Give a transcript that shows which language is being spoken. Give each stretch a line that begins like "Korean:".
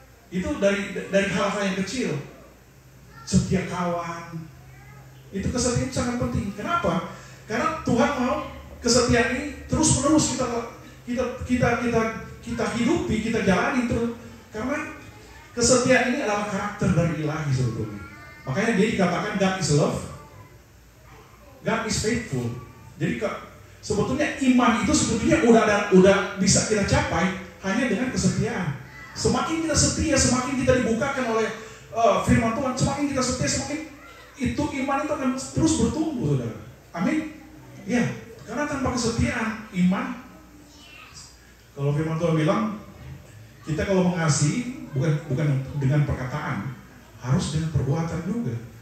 Indonesian: Itu dari hal-hal yang kecil, setia kawan, itu kesetiaan itu sangat penting. Kenapa? Karena Tuhan mau kesetiaan ini terus menerus kita hidupi, kita jalani terus. Karena kesetiaan ini adalah karakter dari Ilahi sebetulnya. Makanya dia dikatakan
English: God is love, God is faithful.
Indonesian: Jadi sebetulnya iman itu sebetulnya udah bisa kita capai hanya dengan kesetiaan. Semakin kita setia, semakin kita dibukakan oleh firman Tuhan, semakin kita setia, semakin itu iman itu akan terus bertumbuh, saudara. Amin? Ya. Yeah. Karena tanpa kesetiaan, iman, kalau firman Tuhan bilang, kita kalau mengasihi, bukan dengan perkataan, harus dengan perbuatan juga.